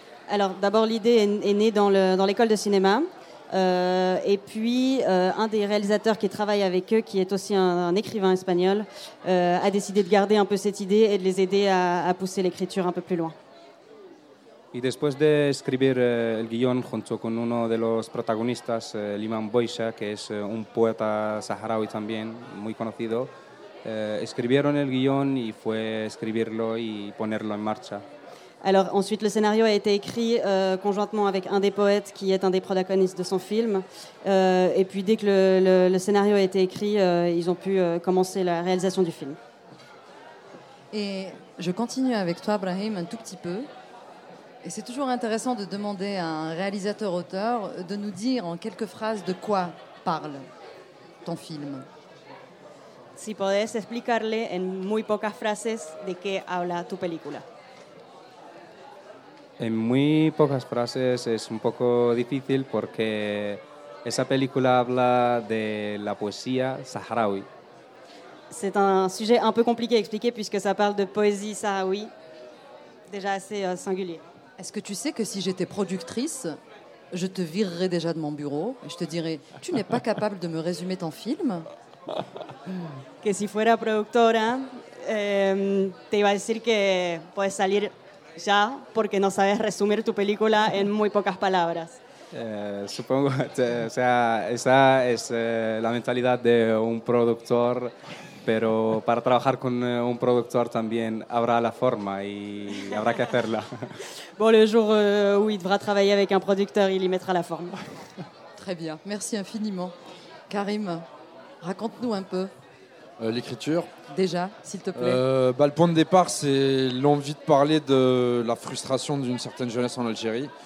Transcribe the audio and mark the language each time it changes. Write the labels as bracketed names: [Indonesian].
[French] Alors, d'abord, l'idée est née dans l'école de cinéma. Et puis un des réalisateurs qui travaille avec eux, qui est aussi un écrivain espagnol, a décidé de garder un peu cette idée et de les aider à pousser l'écriture un peu plus loin. [Spanish] Et después de escribir el guion junto con uno de los protagonistas, Liman Boisha, que es un poeta saharaui también muy conocido, escribieron el guion y fue escribirlo y ponerlo en marcha. [French] Alors ensuite, le scénario a été écrit conjointement avec un des poètes qui est un des protagonistes de son film. Et puis dès que le scénario a été écrit, ils ont pu commencer la réalisation du film. Et je continue avec toi, Brahim, un tout petit peu. Et c'est toujours intéressant de demander à un réalisateur-auteur de nous dire en quelques phrases de quoi parle ton film. [Spanish] Si podés explicarle en muy pocas frases de qué habla tu película. En muy pocas frases es un poco difícil porque esa película habla de la poesía saharaui. [French] C'est un sujet un peu compliqué à expliquer puisque ça parle de poésie saharaui, déjà assez singulier. Est-ce que tu sais que si j'étais productrice, je te virerais déjà de mon bureau et je te dirais, tu n'es pas capable de me résumer ton film ? [Spanish] Que si fuera productora, te iba a decir que puedes salir ya porque no sabes resumir tu película en muy pocas palabras. Supongo, esa es la mentalidad de un productor, pero para trabajar con un productor también habrá la forma y habrá que hacerla. [French] Bon, le jour où il devra travailler avec un producteur, il y mettra la forme. Très bien, merci infiniment. Karim, raconte-nous un peu. L'écriture. Déjà, s'il te plaît. Le point de départ, c'est l'envie de parler de la frustration d'une certaine jeunesse en Algérie.